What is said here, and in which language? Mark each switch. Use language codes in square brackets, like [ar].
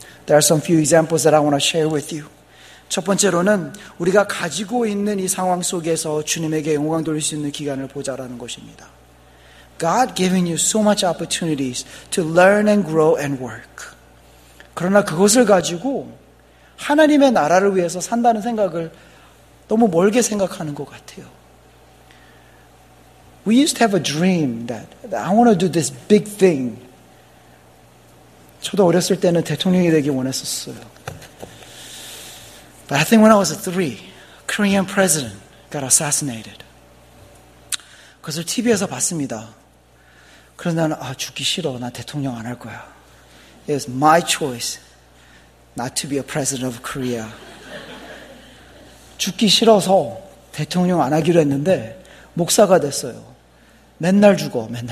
[en] There are some few examples that I want to share with you. [ko] 첫 번째로는 우리가 가지고 있는 이 상황 속에서 주님에게 영광 돌릴 수 있는 기간을 보자라는 것입니다. [en] God giving you so much opportunities to learn and grow and work. [ko] 그러나 그것을 가지고 하나님의 나라를 위해서 산다는 생각을 너무 멀게 생각하는 것 같아요. [en] We used to have a dream that I want to do this big thing. [ko] 저도 어렸을 때는 대통령이 되기 원했었어요. [en] But I think when I was a three, Korean president got assassinated. [ko] 그것을 TV에서 봤습니다. 그래서 나는 아, 죽기 싫어. 나 대통령 안 할 거야. [en] It was my choice not to be a president of Korea. [ko] 죽기 싫어서 대통령 안 하기로 했는데 목사가 됐어요. 맨날 죽어.